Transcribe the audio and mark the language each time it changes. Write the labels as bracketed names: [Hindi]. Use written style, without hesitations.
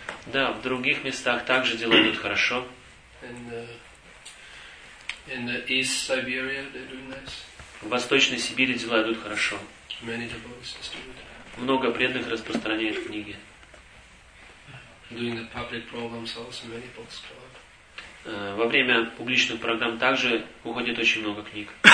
[Russian] Да, в других местах также дела идут хорошо. [English] In the East Siberia they're doing nice. [Russian] В Восточной Сибири дела идут хорошо. [English] Many devotees distribute. [Russian] Много преданных распространяет книги. [English] Doing the public programs also, many books club. [Russian] Во время публичных программ также уходит очень много книг.